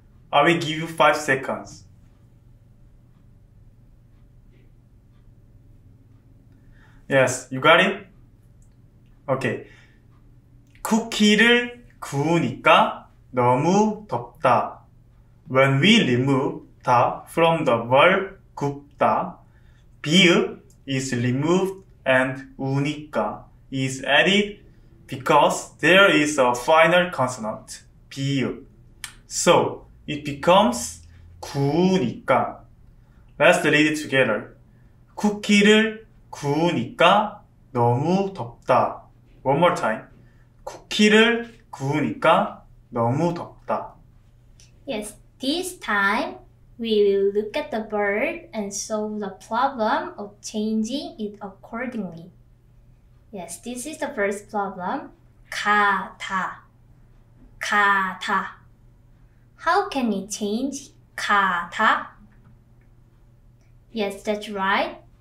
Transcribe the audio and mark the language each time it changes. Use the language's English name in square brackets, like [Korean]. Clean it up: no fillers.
[English] I will give you 5 seconds. Yes, you got it? Okay. [Korean] 쿠키를 구우니까 너무 덥다. [English] When we remove 다 from the verb 굽다, 비읍 is removed and 우니까 is added because there is a final consonant, 비읍. So, it becomes 구우니까. Let's read it together. [Korean] 쿠키를 구우니까 너무 덥다. [English] One more time. [Korean] 쿠키를 구우니까 너무 덥다. [English] Yes, this time we will look at the verb and solve the problem of changing it accordingly. Yes, this is the first problem. 가다. 가다. How can we change 가다? Yes, that's right.